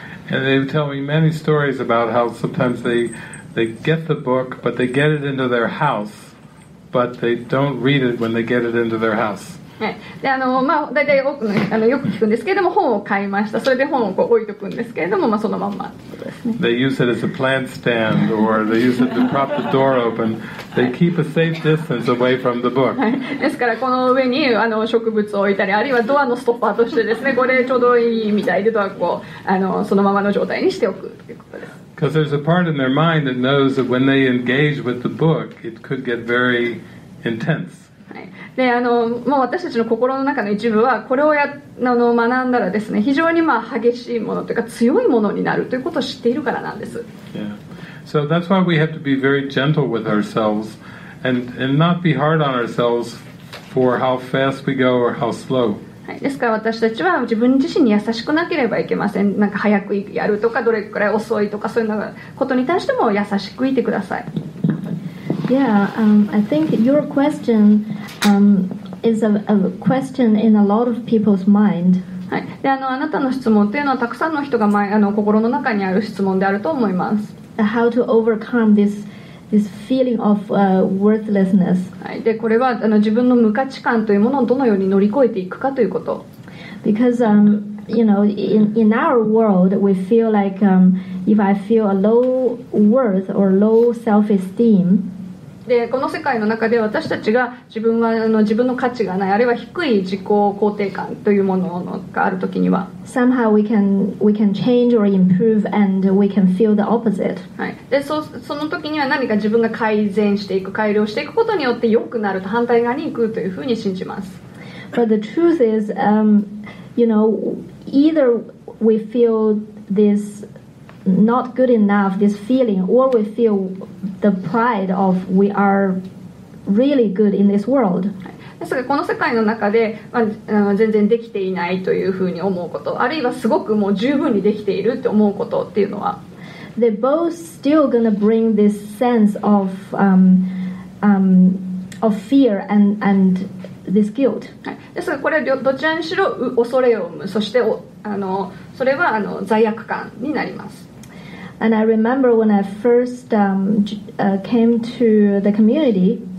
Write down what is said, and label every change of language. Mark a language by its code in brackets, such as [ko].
[en] And they tell me many stories about how sometimes they they get the book, but they get it into their house, but they don't read it when they get it into their house. [ja] はい、であのまあ大体多くの人よく聞くんですけれども本を買いました。それで本をこう置いておくんですけれども、まあ、そのまんまということですね。 [en] They use it as a plant stand or they use it to prop the door open. They keep a safe distance away from the book.、 [ja] はい、ですからこの上にあの植物を置いたりあるいはドアのストッパーとしてですねこれちょうどいいみたいでドアをあのそのままの状態にしておくということです。 [en] Because there's a part in their mind that knows that when they engage with the book, it could get very intense. [ja] であのもう私たちの心の中の一部はこれをやあの学んだらですね非常にまあ激しいものというか強いものになるということを知っているからなんです、 [en] yeah. So that's why we have to be very gentle with ourselves and not be hard on ourselves for how fast we go or how slow、 [ja] はい、ですから私たちは自分自身に優しくなければいけません。なんか早くやるとかどれくらい遅いとかそういうことに対しても優しくいてください。 [en] Yeah, I think your question is a question in a lot of people's mind. [ja] はい。で、あの、あなたの質問というのはたくさんの人が、まあ、あの、心の中にある質問であると思います。 [en] How to overcome this feeling of worthlessness. [ja] はい。で、これはあの、自分の無価値観というものをどのように乗り越えていくかということ。 [en] Because, you know, in our world, we feel like if I feel a low worth or low self-esteem, [ja] でこの世界の中で私たちが自分はあの自分の価値がないあるいは低い自己肯定感というものがあるときには [en] somehow we can change or improve and we can feel the opposite、 [ja] はい、で その時には何か自分が改善していく改良していくことによって良くなると反対側に行くというふうに信じます。 [en] But the truth is you know either we feel thisNot good enough, this feeling, or we feel the pride of we are really good in this world. [ja] ですがこの世界の中で、まあ、全然できていないというふうに思うこと、あるいはすごくもう十分にできているって思うことっていうのは、 [en] they're both still gonna bring this sense of of fear and this guilt. [ja] ですがこれはどちらにしろ恐れを生む、そしてあのそれはあの罪悪感になります。 [en] And I remember when I first came to the community.